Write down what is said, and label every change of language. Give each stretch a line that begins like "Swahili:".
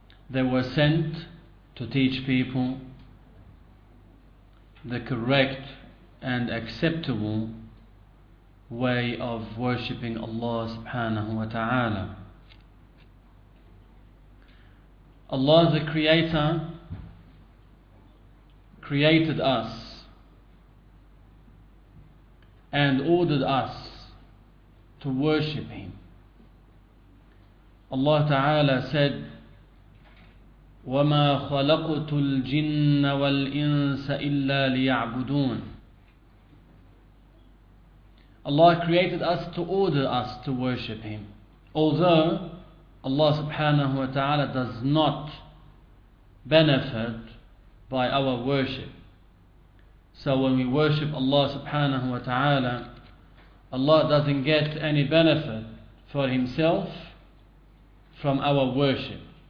English: They were sent to teach people the correct and acceptable way of worshipping Allah subhanahu wa ta'ala. Allah the Creator created us and ordered us to worship Him.
Arabic: Allah ta'ala said, وَمَا خَلَقْتُ الْجِنَّ وَالْإِنسَ إِلَّا لِيَعْبُدُونَ.
English: Allah created us to order us to worship Him. Although Allah subhanahu wa ta'ala does not benefit by our worship. So when we worship Allah subhanahu wa ta'ala, Allah doesn't get any benefit for Himself from our worship.